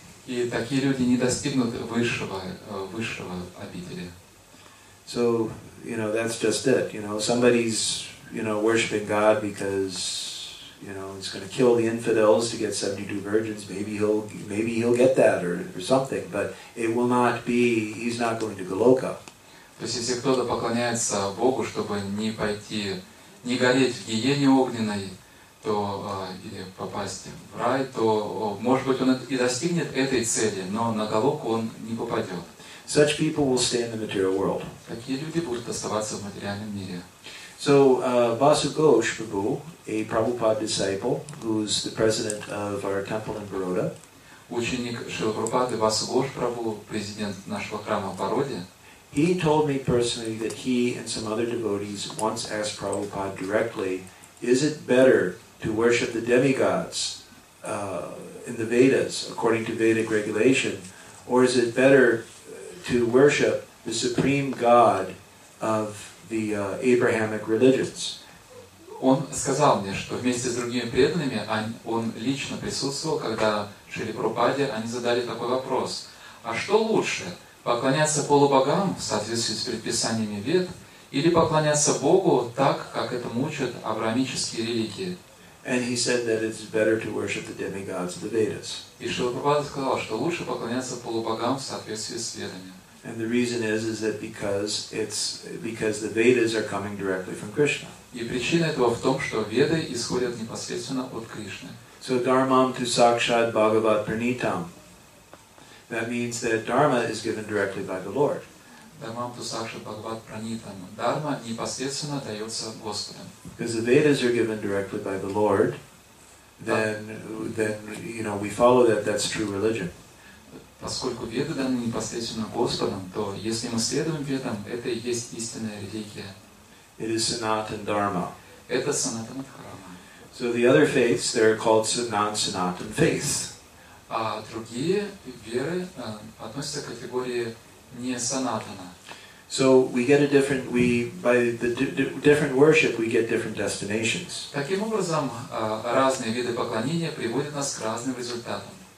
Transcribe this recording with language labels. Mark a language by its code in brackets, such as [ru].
[ru] И такие люди не достигнут высшего обители. [en] So, you know, that's just it. You know, somebody's, you know, worshiping God because, you know, it's going to kill the infidels to get 72 virgins. Maybe he'll get that or something. But it will not be. He's not going to Голока. [ru] То есть если кто-то поклоняется Богу, чтобы не пойти, не гореть в гиене огненной, то попасть в рай, то может быть он и достигнет этой цели, но на Голоку он не попадет. [en] Such people will stay in the material world. [ru] Такие люди будут оставаться в материальном мире. [en] So, Basu Ghosh Prabhu, a Prabhupada disciple, who's the president of our temple in Baroda. [ru] Ученик Шрила Прабхупады Басу Гош Прабху, президент нашего храма в Бароде. [en] He told me personally that he and some other devotees once asked Prabhupada directly, is it better to worship the demigods in the Vedas according to Vedic regulation, or is it better to worship the supreme God of the Abrahamic religions? [ru] Он сказал мне, что вместе с другими преданными он лично присутствовал, когда Шри Прабхупаде они задали такой вопрос: а что лучше, поклоняться полубогам в соответствии с предписаниями Вед или поклоняться Богу так, как это учат авраамические религии? [en] And he said that it's better to worship the demigods of the Vedas. [ru] И Шрила Прабхупада сказал, что лучше поклоняться полубогам в соответствии с Ведами. [en] And the reason is that because the Vedas are coming directly from Krishna. [ru] И причина этого в том, что Веды исходят непосредственно от Кришны. [sa] So dharmam tu sakshad bhagavat pranitam. [en] That means that dharma is given directly by the Lord. [sa] Dharmam tu sakshad bhagavat pranitam. [ru] Dharma непосредственно дается Господом. [en] Because the Vedas are given directly by the Lord, then you know we follow that's true religion. [ru] Поскольку Веды даны непосредственно Господом, то если мы следуем Ведам, это и есть истинная религия. [en] It is sanatana dharma. [ru] Это санатана дхарма. [en] So the other faiths, they're called non-sanatan faiths. [ru] А другие веры относятся к категории не санатана. [en] So we get a different, we by the different worship, we get different destinations. [ru] Таким образом, разные виды поклонения приводят нас к разным результатам.